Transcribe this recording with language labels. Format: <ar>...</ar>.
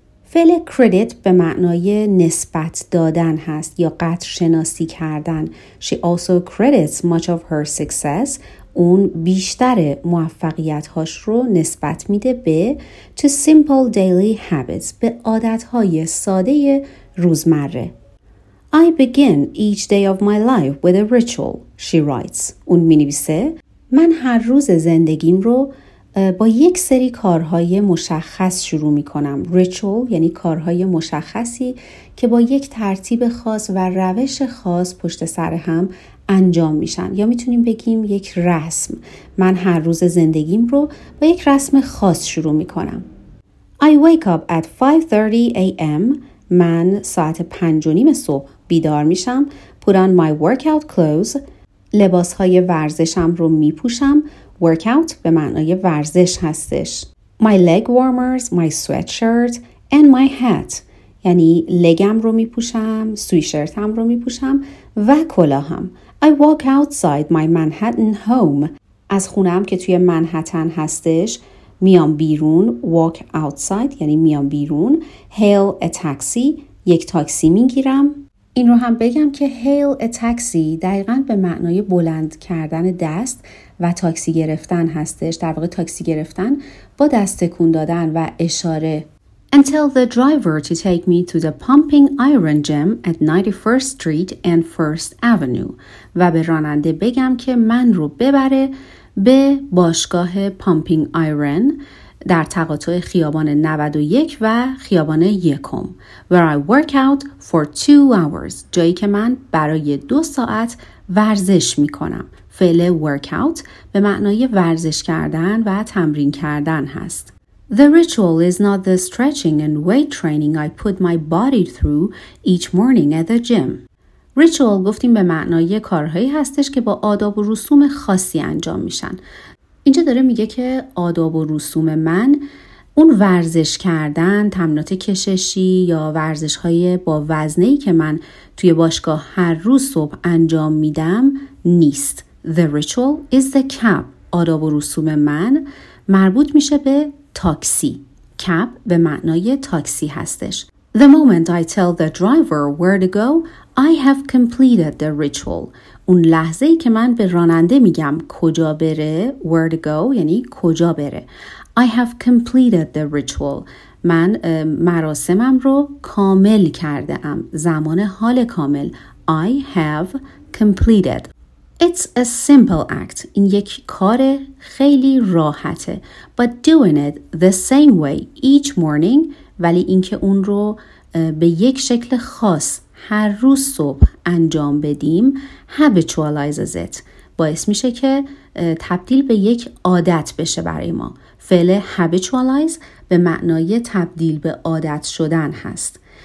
<fa>فعل credit به معنای نسبت دادن هست یا قدر شناسی کردن.</fa> <en>She also credits much of her success.</en> <fa>اون بیشتر موفقیت‌هاش رو نسبت میده به</fa> <en>to simple daily habits</en> <fa>به عادت‌های ساده روزمره.</fa> <en>I begin each day of my life with a ritual, she writes.</en> <fa>اون می‌نویسه من هر روز زندگیم رو با یک سری کارهای مشخص شروع می‌کنم. Ritual یعنی کارهای مشخصی که با یک ترتیب خاص و روش خاص پشت سر هم انجام میشن، یا میتونیم بگیم یک رسم. من هر روز زندگیم رو با یک رسم خاص شروع میکنم.</fa> <en>I wake up at 5:30 a.m.</en> <fa>من ساعت 5:30 صبح بیدار میشم.</fa> <en>Put on my workout clothes</en> <fa>لباسهای ورزشم رو میپوشم. Workout به معنای ورزش هستش.</fa> <en>My leg warmers, my sweatshirt and my hat</en> <fa>یعنی لگم رو میپوشم، سویشرتم رو میپوشم و کلاهم.</fa> <en>I walk outside my Manhattan home.</en> <fa>از خونم که توی منهتن هستش میام بیرون.</fa> <en>Walk outside</en> <fa>یعنی میام بیرون.</fa> <en>Hail a taxi</en> <fa>یک تاکسی میگیرم. این رو هم بگم که</fa> <en>hail a taxi</en> <fa>دقیقا به معنای بلند کردن دست و تاکسی گرفتن هستش. در واقع تاکسی گرفتن با دست تکون دادن و اشاره.</fa> <en>And tell the driver to take me to the pumping iron gym at 91st Street and 1st Avenue.</en> <fa>و به راننده بگم که من رو ببره به باشگاه پامپینگ آیرن در تقاطع خیابان 91 و خیابان 1م.</fa> <en>Where I work out for 2 hours.</en> <fa>جایی که من برای 2 ساعت ورزش میکنم. فعل work out به معنای ورزش کردن و تمرین کردن هست.</fa> <en>The ritual is not the stretching and weight training I put my body through each morning at the gym.</en> <fa>Ritual گفتیم به معنای کارهایی هستش که با آداب و رسوم خاصی انجام میشن. اینجا داره میگه که آداب و رسوم من اون ورزش کردن، تمرینات کششی یا ورزش‌های با وزنه‌ای که من توی باشگاه هر روز صبح انجام میدم نیست.</fa> <en>The ritual is the cab.</en> <fa>آداب و رسوم من مربوط میشه به تاکسی. کب به معنای تاکسی هستش.</fa> <en>The moment I tell the driver where to go, I have completed the ritual.</en> <fa>اون لحظه ای که من به راننده میگم کجا بره،</fa> <en>where to go</en> <fa>یعنی کجا بره.</fa> <en>I have completed the ritual.</en> <fa>من مراسمم رو کامل کرده ام. زمان حال کامل.</fa> <en>I have completed. It's a simple act.</en> <fa>این یک کار خیلی راحته.</fa> <en>But doing it the same way each morning.</en> <fa>ولی اینکه اون رو به یک شکل خاص هر روز صبح انجام بدیم</fa> <en>habitualizes it.</en> <fa>باعث میشه که تبدیل به یک عادت بشه برای ما. فعل habitualize به معنای تبدیل به عادت شدن هست.</fa>